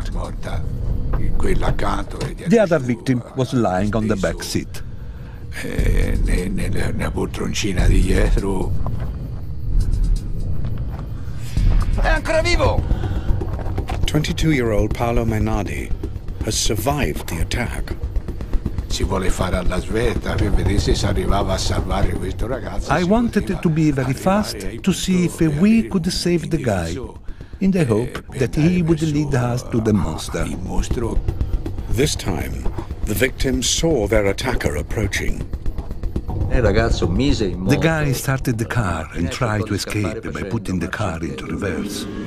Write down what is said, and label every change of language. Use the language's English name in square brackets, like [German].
[English] The other victim was lying on the back seat. [Italian] Nella poltroncina di dietro. È ancora vivo! [English] 22-year-old Paolo Mainardi has survived the attack. [Italian] Si vuole fare alla svelta per vedere se si arrivava a salvare questo ragazzo. [English] I wanted to be very fast to see if we could save the guy, in the hope that he would lead us to the monster. [Italian] Il mostro. [English] This time, the victims saw their attacker approaching. The guy started the car and tried to escape by putting the car into reverse.